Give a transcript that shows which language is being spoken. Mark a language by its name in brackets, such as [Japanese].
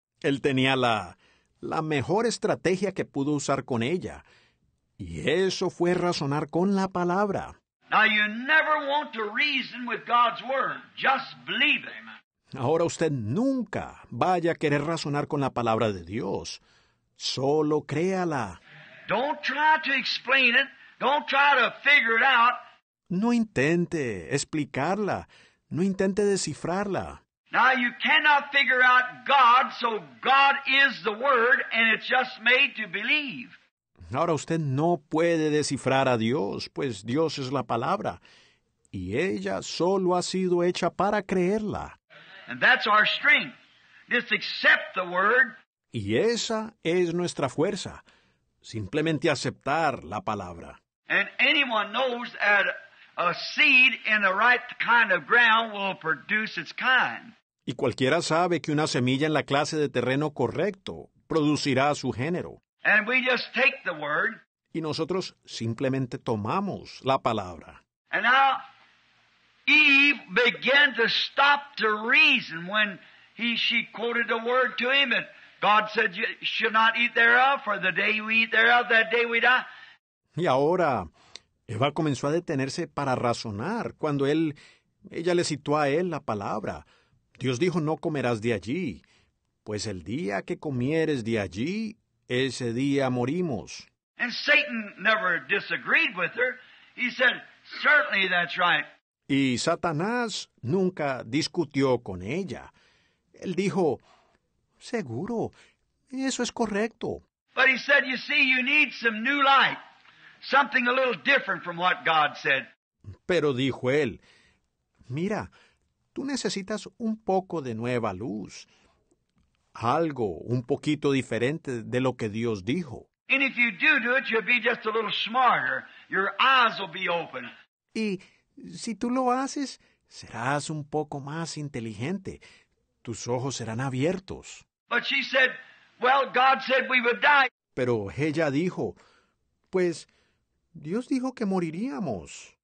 [Spanish] Él tenía la mejor estrategia que pudo usar con ella, y eso fue razonar con la palabra. [English] Now you never want to reason with God's word. Just believe him. [Spanish] Ahora usted nunca vaya a querer razonar con la palabra de Dios. Solo créala. [English] Don't try to explain it. Don't try to figure it out. [Spanish] No intente explicarla. No intente descifrarla. [English] Now you cannot figure out God, so God is the word and it's just made to believe. [Spanish] Ahora usted no puede descifrar a Dios, pues Dios es la palabra, y ella solo ha sido hecha para creerla. [English] And that's our strength. Just accept the word. [Spanish] Y esa es nuestra fuerza, simplemente aceptar la palabra. [English] And anyone knows that a seed in the right kind of ground will produce its kind. [Spanish] Y cualquiera sabe que una semilla en la clase de terreno correcto producirá su género. [English] And we just take the word. [Spanish] Y nosotros simplemente tomamos la palabra. [English] And now Eve began to stop to reason when she quoted the word to him. And God said, you should not eat thereof, for the day you eat thereof, that day we die. [Spanish] Y ahora Eva comenzó a detenerse para razonar cuando ella le citó a él la palabra. Dios dijo, no comerás de allí, pues el día que comieres de allí, ese día morimos. [English] And Satan never disagreed with her. He said, certainly that's right. [Spanish] Y Satanás nunca discutió con ella. Él dijo, seguro, Eso es correcto. [English] But he said, you see, you need some new light. Something a little different from what God said. [Spanish] Pero dijo él, mira, tú necesitas un poco de nueva luz. Algo un poquito diferente de lo que Dios dijo. [English] And if you do it, you'll be just a little smarter. Your eyes will be open. [Spanish] Y si tú lo haces, serás un poco más inteligente. Tus ojos serán abiertos. [English] But she said, well, God said we would die. [Spanish] Pero ella dijo, pues, Dios dijo que moriríamos.